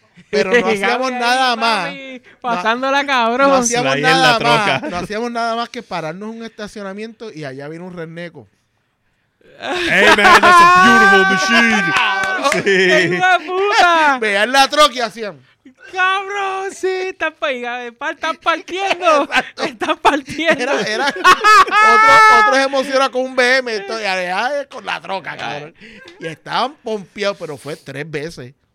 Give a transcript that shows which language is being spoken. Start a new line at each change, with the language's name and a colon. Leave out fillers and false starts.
Spanish: Pero no hacíamos nada más. Pasándola, cabrón. No hacíamos nada más. No hacíamos nada más que pararnos en un estacionamiento y allá viene un renneco.
English: Hey, man, that's a beautiful machine.
Spanish: ¡Cabrón! ¡Qué puta! Vean la troca y hacían. ¡Cabrón! Sí, están partiendo. Están partiendo. Era otro se emociona con un BM. Con la troca, cabrón. Y estaban pompeados, pero fue 3 veces.